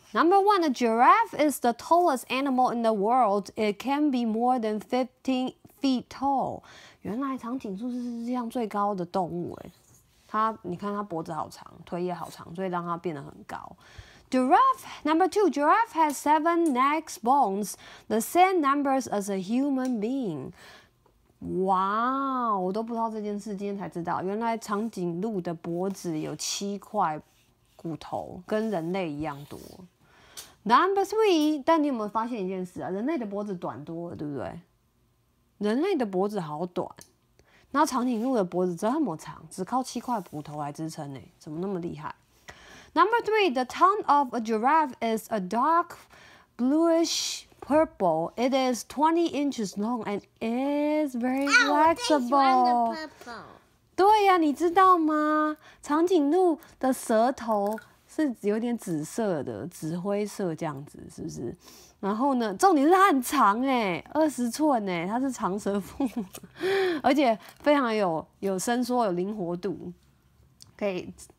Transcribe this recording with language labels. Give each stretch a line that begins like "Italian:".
English: Number one， the giraffe is the tallest animal in the world. It can be more than 15 feet tall。
Chinese: 原来长颈鹿是世界上最高的动物哎，它你看它脖子好长，腿也好长，所以让它变得很高。
English: Giraffe, number two, giraffe has 7 neck bones, the same numbers as a human being.
Chinese: 哇，我都不知道这件事，今天才知道，原来长颈鹿的脖子有7块骨头，跟人类一样多。
English: Number three,
Chinese: 但你有没有发现一件事啊？人类的脖子短多了，对不对？人类的脖子好短，那长颈鹿的脖子这么长，只靠7块骨头来支撑欸，怎么那么厉害？
English: Number three, the tongue of a giraffe is a dark bluish purple. It is 20 inches long and is very flexible.
Chinese: 对呀，你知道吗？长颈鹿的舌头是有点紫色的，紫灰色这样子，是不是？然后呢，重点是它很长哎，20寸哎，它是长舌妇，而且非常有伸缩，有灵活度，可以。